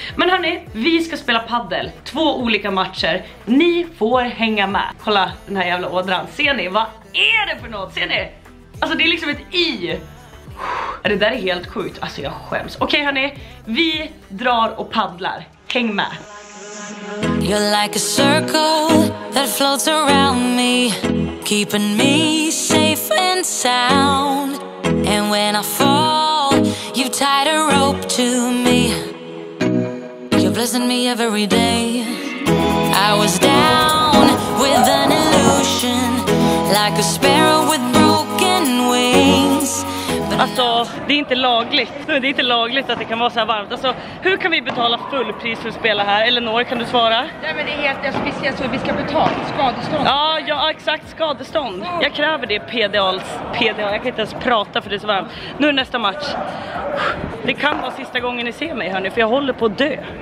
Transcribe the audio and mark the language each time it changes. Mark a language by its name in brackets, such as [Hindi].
[Swedish] Men hörni, vi ska spela paddel. 2 olika matcher. Ni får hänga med. Kolla den här jävla ådran, ser ni? Vad är det för något? Ser ni? Alltså det är liksom ett i. Det där är helt sjukt, alltså jag skäms. Okej, hörni, vi drar och paddlar. Häng med. [English] You're like a circle that floats around me, keeping me safe and sound. And when I fall, you tied a rope to me. You're blessing me every day. I was down with an illusion, like a sparrow with broken wings. [Swedish] Alltså, det är inte lagligt. Det är inte lagligt att det kan vara så här varmt. Alltså, hur kan vi betala full pris för att spela här? Eleonor, kan du svara? Nej, men det är helt speciellt, så vi ska betala skadestånd. Ja, ja, exakt, skadestånd. Jag kräver det, PDA. Jag kan inte ens prata för det är så varmt. Nu är nästa match. Det kan vara sista gången ni ser mig, hörni, för jag håller på att dö.